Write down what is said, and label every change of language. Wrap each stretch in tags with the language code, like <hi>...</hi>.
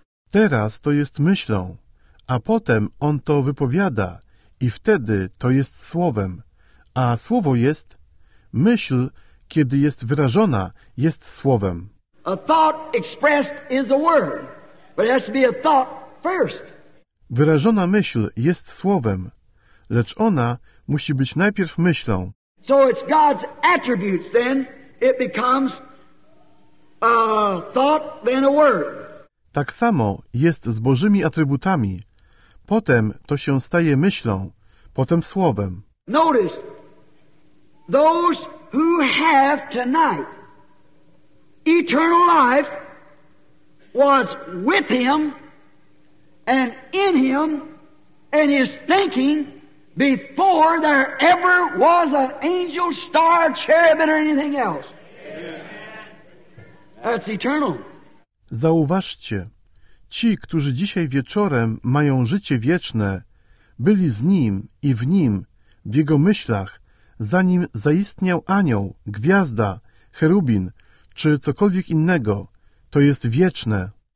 <pl>Teraz to jest myślą, a potem on to wypowiada i wtedy to jest słowem. A słowo jest myśl, kiedy jest wyrażona, jest słowem.</pl> <en>A thought expressed is a word, but it has to be a thought first.</en> <pl>Wyrażona myśl jest słowem, lecz ona musi być najpierw myślą.</pl> <en>So it's God's attributes, then it becomes a thought, then a word.</en> <pl>Tak samo jest z Bożymi atrybutami. Potem to się staje myślą, potem słowem.</pl> <en>Notice, those who have tonight eternal life was with him and in him and his thinking before there ever was an angel, star, cherubim or anything else. That's eternal.</en> <pl>Zauważcie, ci, którzy dzisiaj wieczorem mają życie wieczne, byli z Nim i w Nim, w Jego myślach, zanim zaistniał anioł, gwiazda, cherubin, czy cokolwiek innego, to jest wieczne.</pl>